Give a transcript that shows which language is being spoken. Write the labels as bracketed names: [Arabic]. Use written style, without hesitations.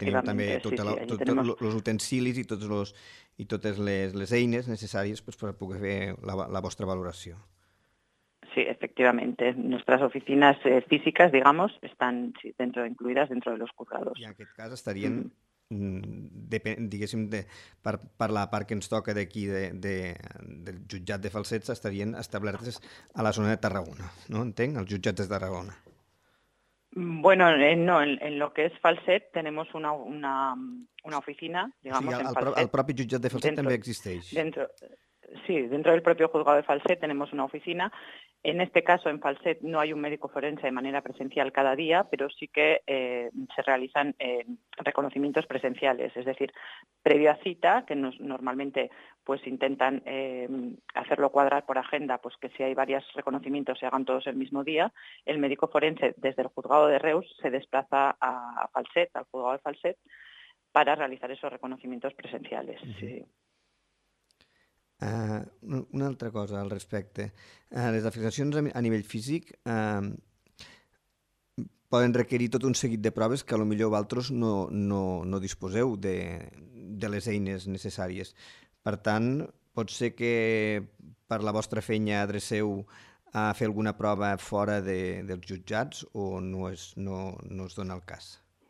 [Catalan] teniu també tots els utensilis i totes les eines necessàries per poder fer la vostra valoració. [Spanish] Sí, efectivamente. Nuestras oficinas físicas, digamos, están incluidas dentro de los juzgados. [Catalan] I en aquest cas estarien, diguéssim, per la part que ens toca d'aquí del jutjat de Falset, estarien establertes a la zona de Tarragona, ¿no? Entenc, els jutjats de Tarragona. [Spanish] Bueno, no, en lo que es Falset tenemos una oficina, digamos, sí, en Falset. [Catalan] El propi jutjat de Falset dentro, també existeix. [Spanish] Dentro del propio juzgado de Falset tenemos una oficina. En este caso, en Falset, no hay un médico forense de manera presencial cada día, pero sí que se realizan reconocimientos presenciales, es decir, previo a cita, que normalmente pues intentan hacerlo cuadrar por agenda, pues que si hay varios reconocimientos se hagan todos el mismo día. El médico forense, desde el juzgado de Reus, se desplaza a Falset, al juzgado de Falset, para realizar esos reconocimientos presenciales. Sí. [Catalan] Una altra cosa al respecte. Les afectacions a nivell físic poden requerir tot un seguit de proves que potser vosaltres no disposeu de les eines necessàries. Per tant, pot ser que per la vostra feina adreceu a fer alguna prova fora dels jutjats o no es dona el cas?